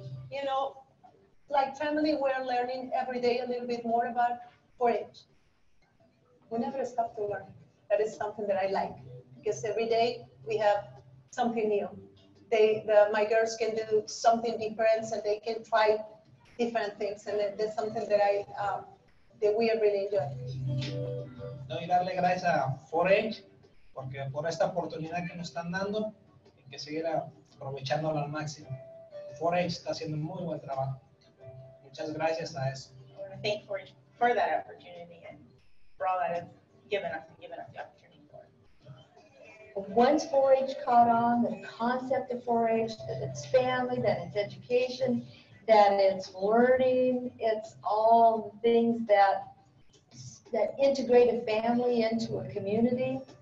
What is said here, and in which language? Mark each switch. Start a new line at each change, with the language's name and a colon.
English: You know, like family, we're learning every day a little bit more about 4-H. We never stop to learn. That is something that I like, because every day we have something new. My girls can do something different, and they can try different things, and that's something that I that we are really enjoying.
Spanish: No, y darle gracias a 4-H porque por esta oportunidad que nos están dando y que seguir aprovechándola al máximo. 4-H está haciendo muy buen trabajo. Muchas gracias a eso.
English: Thank you for that opportunity and for all that has given us the opportunity for. Once 4-H caught on, the concept of 4-H, that it's family, that it's education, that it's learning, it's all the things that integrate a family into a community.